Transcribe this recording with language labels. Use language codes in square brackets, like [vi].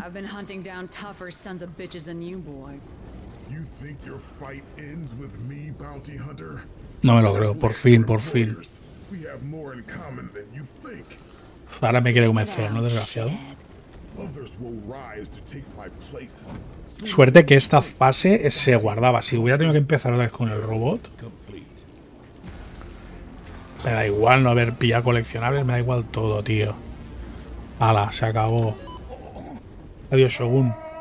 [en] I've been hunting down tougher sons of bitches than you, boy. You think your fight ends with me, bounty hunter? [es] No me lo creo. Por fin, por fin. [en] We have more in common than you think. [es] Ahora me quiere convencer, ¿no, desgraciado? [en] Others will rise to take my place. [es] Suerte que esta fase se guardaba. Si hubiera tenido que empezar otra vez con el robot. Me da igual no haber pillado coleccionables, me da igual todo, tío. Hala, se acabó. Adiós, Shogun.